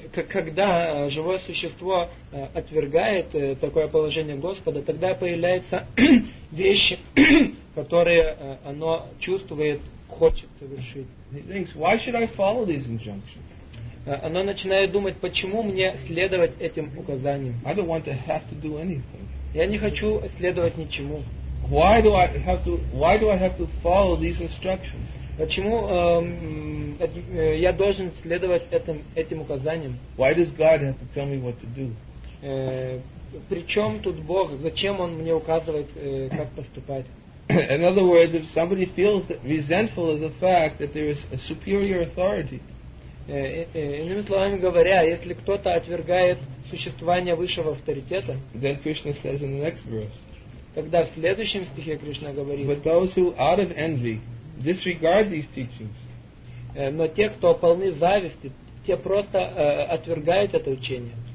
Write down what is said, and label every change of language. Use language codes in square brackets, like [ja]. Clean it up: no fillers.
[ru] Когда живое существо отвергает такое положение Господа, тогда появляются вещи, которые оно чувствует, хочет совершить. [en] He thinks, why should I follow these injunctions? [ru] Оно начинает думать, почему мне следовать этим указаниям. [en] I don't want to have to do anything. [ru] Я не хочу следовать ничему. [en] Why do I have to follow these instructions? [ru] Почему я должен следовать этим указаниям? [en] Why does God have to tell me what to do? [ru] Причем тут Бог? Зачем Он мне указывает, как поступать? [en] In other words, if somebody feels that resentful of the fact that there is a superior authority. [ru] Иными словами говоря, если кто-то отвергает существование высшего авторитета, [en] then Krishna says in the next verse. [ru] Тогда в следующем стихе Кришна говорит. [en] But those who out of envy disregard these teachings. [ru] Но те, кто полны зависти, те просто отвергают это учение.